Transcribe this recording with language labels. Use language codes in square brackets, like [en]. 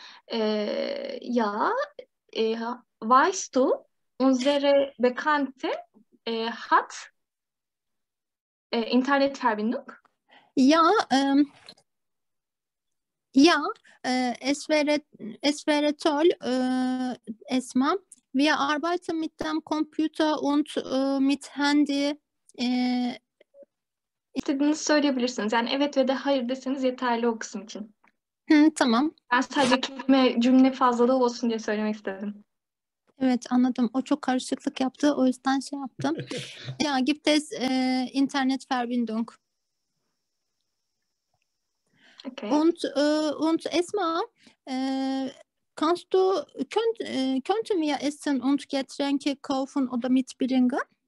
[de] Ja, weißt du, unsere Bekannte hat Internetverbindung? Ja, ja. Es wäre toll, Esma. Wir arbeiten mit dem Computer und mit Handy. [tr] İstediğinizi söyleyebilirsiniz. Yani evet ve de hayır deseniz yeterli o kısım için. Hı, tamam. Ben sadece cümle fazlalığı olsun diye söylemek istedim. Evet, anladım. O çok karışıklık yaptı. O yüzden şey yaptım. [de] Ya, gibt es Internetverbindung. Okay. Und Esma, kannst du könnten wir essen und getränke kaufen oder mitbringen?